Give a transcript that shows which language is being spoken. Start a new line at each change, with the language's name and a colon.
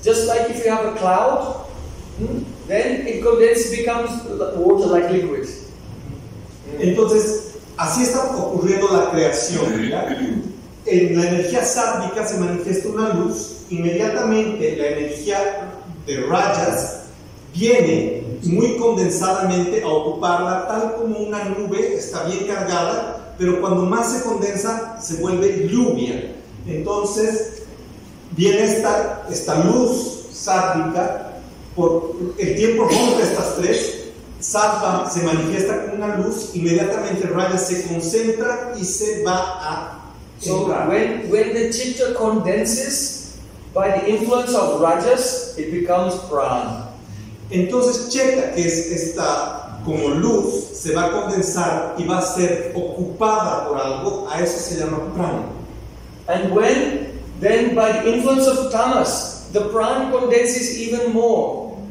English: Just like if you have a cloud, then it condenses, becomes water like liquid.
Spanish: Entonces, así está ocurriendo la creación, ¿verdad? En la energía sádvica se manifiesta una luz, inmediatamente la energía de rayas viene muy condensadamente a ocuparla, tal como una nube está bien cargada, pero cuando más se condensa, se vuelve lluvia. Entonces, viene esta luz sádvica. Por el tiempo rompe estas tres, sattva se manifiesta con una luz, inmediatamente raya se concentra y se va a entrar.
English: So when the chitta condenses by the influence of rajas, it becomes prana.
Spanish: Entonces chitta, que es esta como luz, se va a condensar y va a ser ocupada por algo, a eso se llama prana.
English: And when then by the influence of tamas, the prana condenses even more.